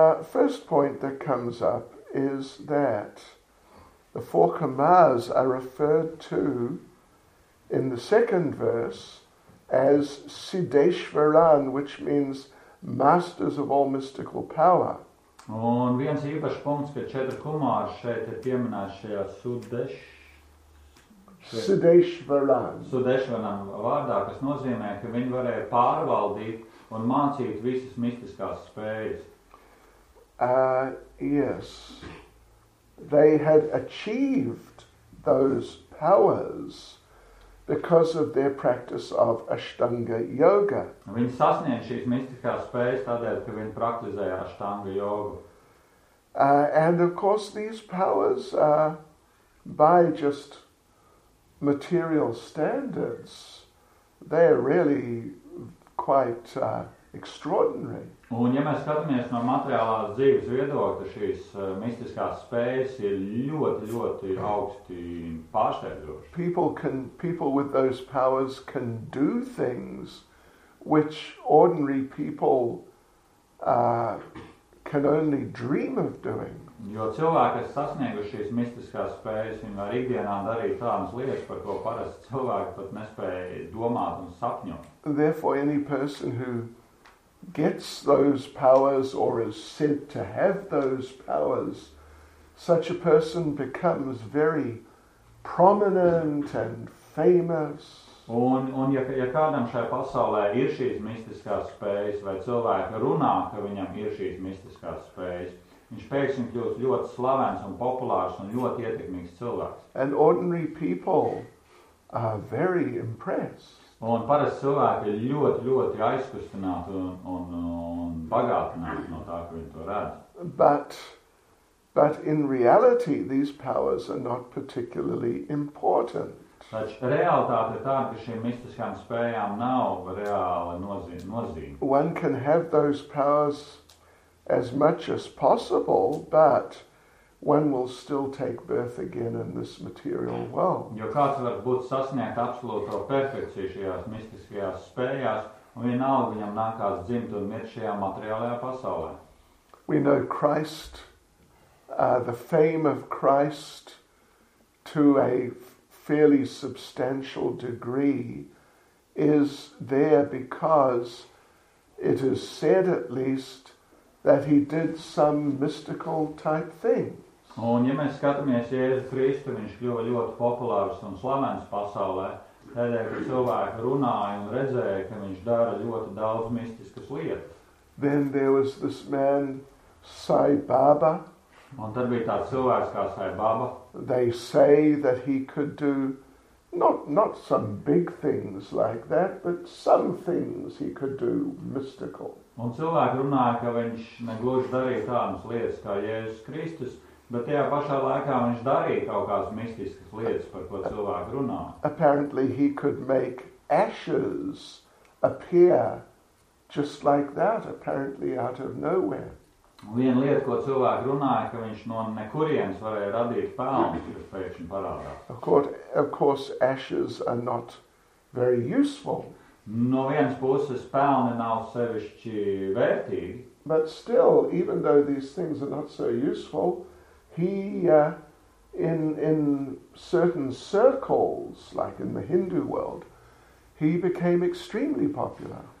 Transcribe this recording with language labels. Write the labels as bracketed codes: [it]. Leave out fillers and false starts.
[en] First point that comes up is that the four kamas are referred to in the second verse as Siddheshvaran, which means masters of all mystical power. [lv] Un viens īpašs punkts, ka četri kumāri šeit ir pieminēts šajā Siddheshvaran vārdā, kas nozīmē, ka viņi varēja pārvaldīt un mācīt visas mistiskās spējas. [en] Yes. They had achieved those powers because of their practice of Ashtanga yoga. [lv] Viņi sasniedz šīs mistiskās spējas tādēļ, ka viņi praktizēja Ashtanga yoga. [en] And of course these powers are by just material standards. They are really quite extraordinary. [lv] Un ja mēs skatāmies no materiālās dzīves viedokļa, šīs mistiskās spējas ir ļoti, ļoti augsti pārsteidzoši. [en] People with those powers can do things which ordinary people can only dream of doing. [lv] Jo cilvēki, kas sasnieguši šīs mistiskās spējas, viņi var ikdienā darīt tādas lietas, par ko parasti cilvēki pat nespēja domāt un sapņot. [en] Therefore, any person who gets those powers or is said to have those powers, such a person becomes very prominent and famous. [lv] Un ja kādam šai pasaulē ir šīs mistiskās spējas, vai cilvēki runā, ka viņam ir šīs mistiskās spējas, viņš pēkšņi kļūst ļoti slavens un populārs un ļoti ietekmīgs cilvēks. [en] And ordinary people are very impressed. [lv] Un parasti cilvēki ir ļoti, ļoti aizkustināti un bagātināti no tā, ka viņi to redz. [en] But in reality, these powers are not particularly important. [lv] Taču realitāte ir tā, ka šiem mistiskām spējām nav reāli nozīme. [en] One can have those powers as much as possible, but one will still take birth again in this material world. [lv] Jo kāds var būt sasniegt absolūto perfekciju šajās mistiskajās spējās, un vienalga viņam nākās dzimt un mirt šajā materiālajā pasaulē. [en] We know Christ, the fame of Christ to a fairly substantial degree is there because it is said at least that he did some mystical type thing. [lv] Un ja mēs skatāmies Jēzu Kristu, viņš kļuva ļoti populārs un slavens pasaulē, tādēļ, ka cilvēki runāja un redzēja, ka viņš dara ļoti daudz mistiskas lietas. [en] Then there was this man, Sai Baba. [lv] Un tad bija tāds cilvēks kā Sai Baba. [en] They say that he could do not some big things like that, but some things he could do mystical. [lv] Un cilvēki runāja, ka viņš negluži darīja tādas lietas kā Jēzus Kristus, bet tajā pašā laikā viņš darīja kaut kādas mistiskas lietas, par ko cilvēki runā. [en] Apparently he could make ashes appear just like that, apparently out of nowhere. [lv] Viena lieta, ko cilvēki runāja, ka viņš no nekurienes varēja radīt pelnus, kas pēkšņi parādās. [en] Of course, ashes are not very useful. [lv] No vienas puses, pelni nav sevišķi vērtīgi. [en] But still, even though these things are not so useful, he in certain circles, like in the Hindu world, he became extremely popular.